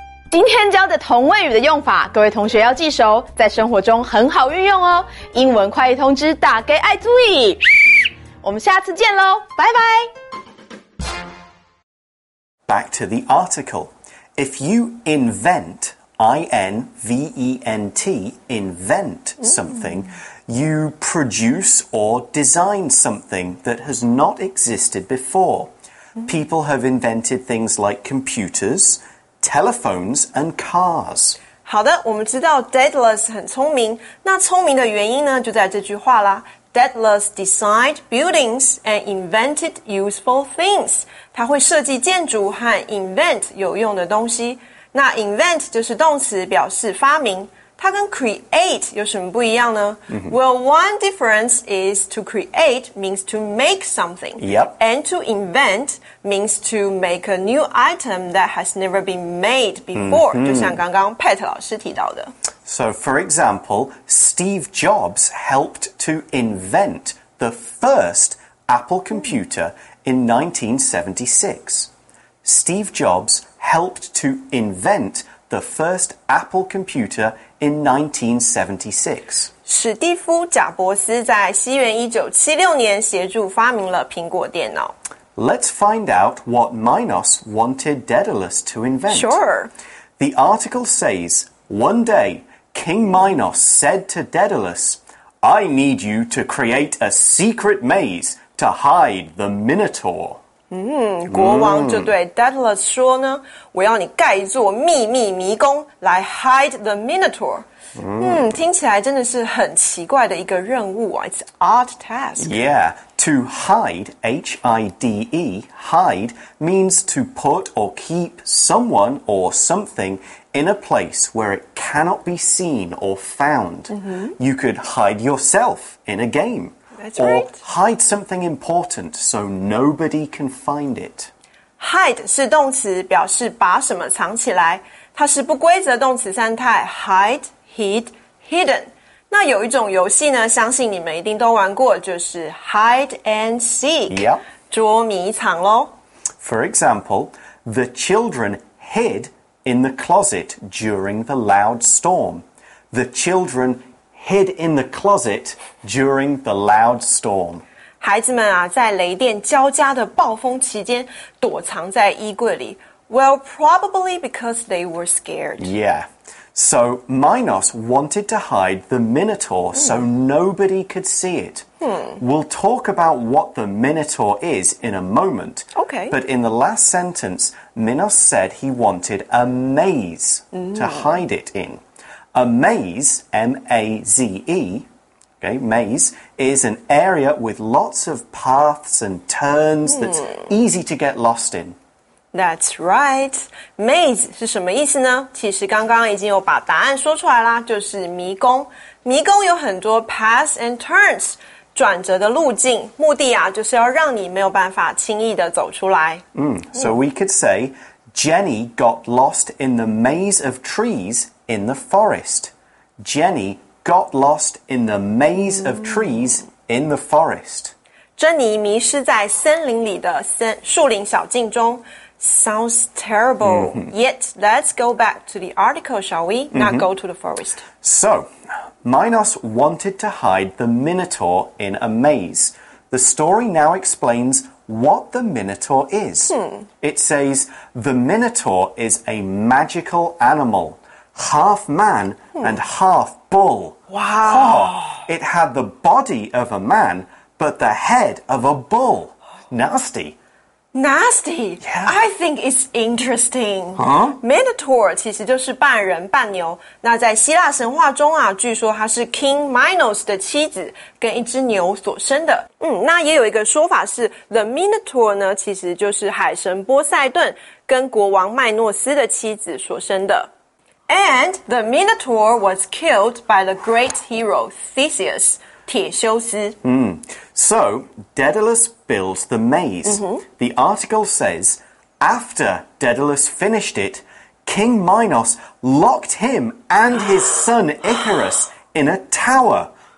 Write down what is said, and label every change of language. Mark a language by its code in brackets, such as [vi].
[zh] 今天教的同位语的用法，各位同学要记熟，在生活中很好运用哦。英文快译通知打给爱注意，我们下次见咯，拜拜。 [en] Back to the article. If you invent, I-N-V-E-N-T, invent something,You produce or design something that has not existed before. People have invented things like computers, telephones, and cars. [zh] 好的，我们知道 Daedalus 很聪明，那聪明的原因呢，就在这句话啦。 [en] Daedalus designed buildings and invented useful things. [zh] 他会设计建筑和 invent 有用的东西。那 invent 就是动词，表示发明。它跟 create 有什么不一样呢、mm-hmm. [en] Well, one difference is to create means to make something. Yep. And to invent means to make a new item that has never been made before.、Mm-hmm. [zh] 就像刚刚 Pat 老师提到的。 [en] So, for example, Steve Jobs helped to invent the first Apple computer in 1976. Steve Jobs helped to invent the first Apple computer in 1976. [zh] 史蒂夫·贾伯斯在西元1976年协助发明了苹果电脑。 [en] Let's find out what Minos wanted Daedalus to invent. Sure. The article says, one day... King Minos said to Daedalus, I need you to create a secret maze to hide the Minotaur. [zh] 国王就对 Daedalus 说呢，我要你盖一座秘密迷宫来 [en] hide the Minotaur. [zh] 听起来真的是很奇怪的一个任务啊。 [en] It's odd task. Yeah, to hide, H-I-D-E, hide, means to put or keep someone or something in a place where it cannot be seen or found.、Mm-hmm. You could hide yourself in a game. That's or right. Or hide something important so nobody can find it. [zh] Hide 是动词表示把什么藏起来。它是不规则动词三态 hide, hid, hidden. 那有一种游戏呢相信你们一定都玩过就是 [en] hide and seek,、 [zh] yep. 捉迷藏咯。 [en] For example, the children hid... in the closet during the loud storm. The children hid in the closet during the loud storm. [zh] 孩子们啊在雷电交加的暴风期间躲藏在衣柜里。 [en] Well, probably because they were scared. Yeah. So Minos wanted to hide the Minotaur so nobody could see it. We'll talk about what the Minotaur is in a moment. Okay. But in the last sentence, Minos said he wanted a maze to hide it in. A maze, M-A-Z-E, okay, maze, is an area with lots of paths and turns that's easy to get lost in. That's right. [zh] Maze 是什么意思呢？其实刚刚已经有把答案说出来啦，就是迷宫。迷宫有很多 [en] paths and turns, [zh] 转折的路径，目的啊，就是要让你没有办法轻易的走出来。 [en] So we could say, Jenny got lost in the maze of trees in the forest. Jenny got lost in the maze of trees in the forest. [zh] 珍妮迷失在森林里的树林小径中。 [en] Sounds terrible,、mm-hmm. yet let's go back to the article, shall we? Not、mm-hmm. go to the forest. So, Minos wanted to hide the Minotaur in a maze. The story now explains what the Minotaur is.、Hmm. It says, the Minotaur is a magical animal, half man、hmm. and half bull. Wow!、Oh, it had the body of a man, but the head of a bull. Nasty. Nasty!、 Yeah. I think it's interesting!、 Huh? [zh] Minotaur 其实就是半人半牛。那在希腊神话中啊，据说它是 King Minos 的妻子跟一只牛所生的。那也有一个说法是 The Minotaur 呢其实就是海神波塞顿跟国王麦诺斯的妻子所生的。 [en] And the Minotaur was killed by the great hero Theseus, 铁修斯。 So, Daedalus builds the maze.、Mm-hmm. The article says, after Daedalus finished it, King Minos locked him and his son Icarus in a tower.